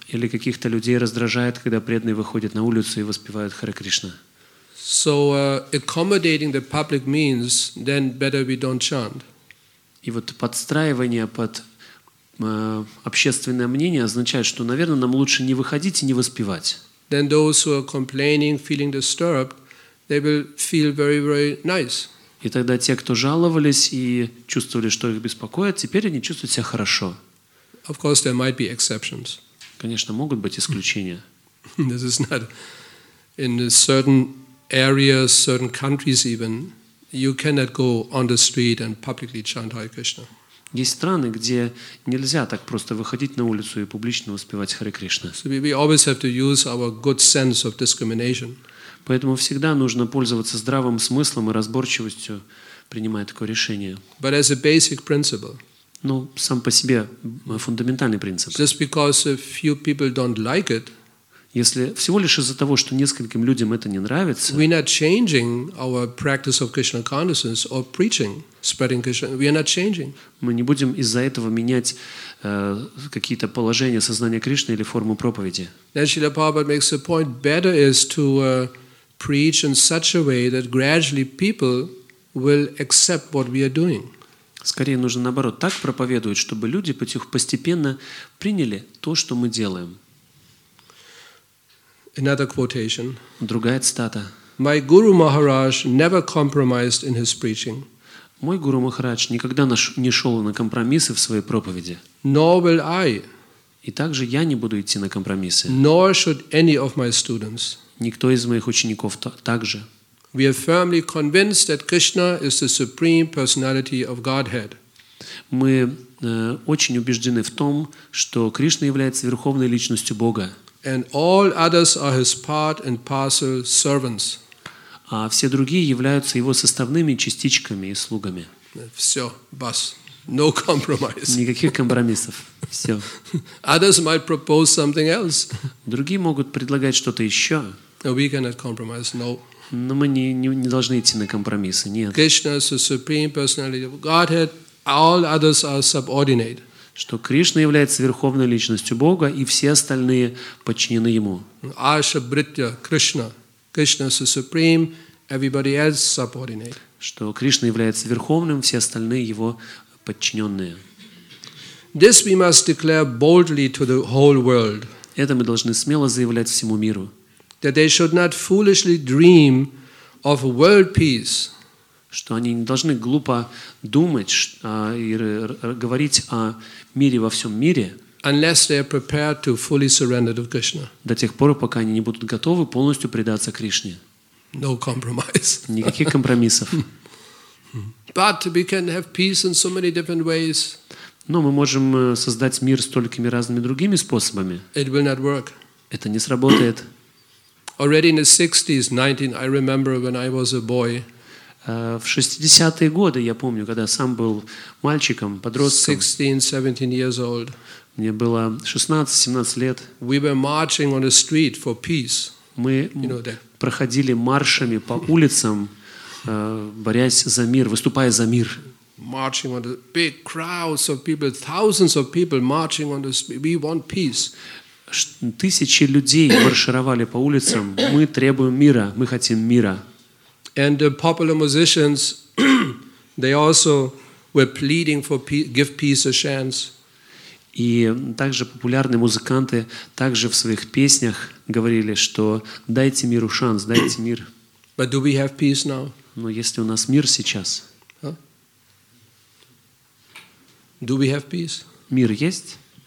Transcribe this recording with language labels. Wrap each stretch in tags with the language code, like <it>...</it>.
<ru>Или каких-то людей раздражает, когда преданные выходят на улицу и воспевают Харе Кришна.</ru> <en>So accommodating the public means then better we don't chant.</en> <ru>И вот подстраивание под общественное мнение означает, что, наверное, нам лучше не выходить и не воспевать.</ru> <en>Then those who are complaining, feeling disturbed, they will feel very, very nice.</en> <ru>И тогда те, кто жаловались и чувствовали, что их беспокоят, теперь они чувствуют себя хорошо.</ru> <en>Of course, there might be exceptions.</en> <ru>Конечно, могут быть исключения.</ru> <en>This is not in certain areas, certain countries even. You cannot go on the street and publicly chant Hare Krishna.</en> <ru>Есть страны, где нельзя так просто выходить на улицу и публично воспевать Харе Кришна.</ru> <en>So we always have to use our good sense of discrimination.</en> <ru>Поэтому всегда нужно пользоваться здравым смыслом и разборчивостью, принимая такое решение.</ru> <en>But as a basic principle.</en> <ru>Ну, сам по себе фундаментальный принцип.</ru> <en>Just because a few people don't like it.</en> <ru>Если всего лишь из-за того, что нескольким людям это не нравится,</ru> <en>we're not changing our practice of Krishna consciousness or preaching, spreading Krishna. We are not changing.</en> <ru>Мы не будем из-за этого менять какие-то положения сознания Кришны или форму проповеди.</ru> <en>Then Srila Prabhupada makes a point: better is to preach in such a way that gradually people will accept what we are doing.</en> <ru>Скорее нужно наоборот так проповедовать, чтобы люди постепенно приняли то, что мы делаем.</ru> <en>Another quotation.</en> <ru>Другая цитата.</ru> <en>My Guru Maharaj never compromised in his preaching.</en> <ru>Мой Гуру Махарадж никогда не шел на компромиссы в своей проповеди.</ru> <en>Nor will I.</en> <ru>И также я не буду идти на компромиссы.</ru> <en>Nor should any of my students.</en> <ru>Никто из моих учеников также.</ru> <en>We are firmly convinced that Krishna is the supreme personality of Godhead.</en> <ru>Мы очень убеждены в том, что Кришна является верховной личностью Бога.</ru> <en>And all others are his part and parcel servants.</en> <ru>А все другие являются его составными частичками и слугами. Все, бас.</ru> <en>No compromise.</en> <ru>Никаких компромиссов. Все.</ru> <en>Others might propose something else.</en> <ru>Другие могут предлагать что-то еще.</ru> <en>We cannot compromise. No.</en> <ru>Но мы не должны идти на компромиссы. Нет.</ru> <en>Krishna is the supreme personality of Godhead. All others are subordinate.</en> <ru>Что Кришна является верховной личностью Бога, и все остальные подчинены Ему. Аша Бритья Кришна.</ru> <en>Кришна is the supreme, everybody else subordinate.</en> <ru>Что Кришна является верховным, все остальные Его подчиненные.</ru> <en>This we must declare boldly to the whole world.</en> <ru>Это мы должны смело заявлять всему миру.</ru> <en>That they should not foolishly dream of world peace.</en> <ru>Что они не должны глупо думать и говорить о мире во всем мире,</ru> <en>unless they are prepared to fully surrender to Krishna.</en> <ru>До тех пор, пока они не будут готовы полностью предаться Кришне.</ru> <en>No compromise.</en> <ru>Никаких компромиссов.</ru> <en>But we can have peace in so many different ways.</en> <ru>Но мы можем создать мир столькими разными другими способами.</ru> <en>It will not work.</en> <ru>Это не сработает.</ru> <en>Already in the 60s, 19, I remember when I was a boy.</en> <ru>В 60-е годы, я помню, когда сам был мальчиком, подростком.</ru> <en>16, 17 years old.</en> <ru>Мне было 16-17 лет.</ru> <en>We were marching on the street for peace.</en> <ru>Мы проходили маршами по улицам, борясь за мир, выступая за мир.</ru> <en>Marching on the big crowds of people, thousands of people marching on the street. We want peace.</en> <ru>Тысячи людей маршировали по улицам. Мы требуем мира. Мы хотим мира.</ru> <en>And the popular musicians, they also were pleading for peace, give peace a chance.</en> <ru>И также популярные музыканты также в своих песнях говорили, что дайте миру шанс, дайте мир.</ru> <en>But do we have peace now?</en> <ru>Но если у нас мир сейчас? Huh?</ru> <en>Do we have peace?</en> <ru>Мир есть?</ru>